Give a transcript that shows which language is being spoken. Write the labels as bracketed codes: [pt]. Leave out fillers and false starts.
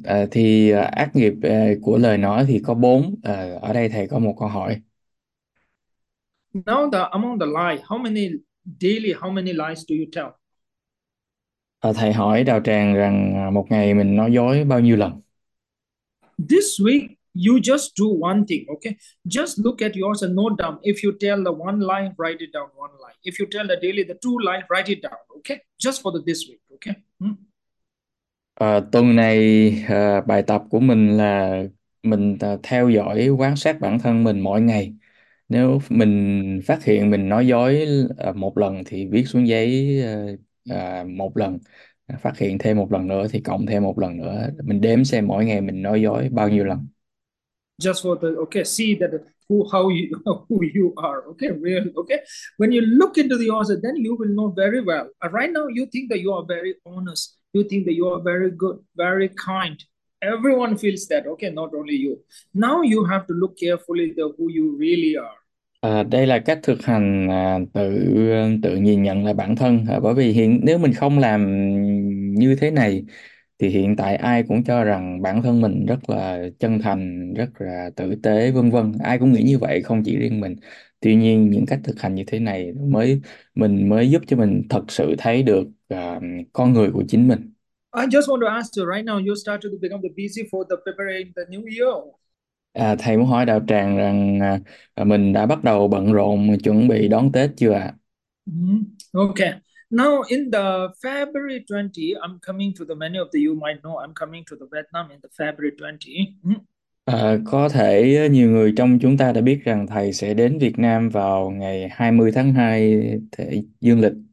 [vi] Thì ác nghiệp của lời nói thì có 4. Ở đây thầy có một câu hỏi. [en] Now the among the lie, how many lies do you tell? [vi] Thầy hỏi đạo tràng rằng một ngày mình nói dối bao nhiêu lần? [en] This week you just do one thing, okay? Just look at yours and note down. If you tell the one lie, write it down one lie. If you tell the daily the two lie, write it down, okay? Just for the this week, okay? [vi] Tuần này bài tập của mình là mình theo dõi, quan sát bản thân mình mỗi ngày. Nếu mình phát hiện mình nói dối một lần thì viết xuống giấy một lần, phát hiện thêm một lần nữa thì cộng thêm một lần nữa, mình đếm xem mỗi ngày mình nói dối bao nhiêu lần. [en] Just for the okay, see that who you are. Okay, real. Okay, when you look into the answer, then you will know very well. Right now, you think that you are very honest. You think that you are very good, very kind. Everyone feels that. Okay, not only you. Now you have to look carefully the who you really are. [vi] Đây là cách thực hành tự tự nhìn nhận lại bản thân, bởi vì nếu mình không làm như thế này thì hiện tại ai cũng cho rằng bản thân mình rất là chân thành, rất là tử tế, vân vân, ai cũng nghĩ như vậy, không chỉ riêng mình. Tuy nhiên những cách thực hành như thế này mới giúp cho mình thật sự thấy được con người của chính mình. [en] I just want to ask you right now, you started to become the busy for the preparing the new year. [vi] Thầy muốn hỏi đạo tràng rằng mình đã bắt đầu bận rộn chuẩn bị đón Tết chưa ạ? [en] Okay. Now in the February 20, I'm coming to the many of the you might know I'm coming to the Vietnam in the February 20. [vi] Có thể nhiều người trong chúng ta đã biết rằng thầy sẽ đến Việt Nam vào ngày 20 tháng 2 thể dương lịch.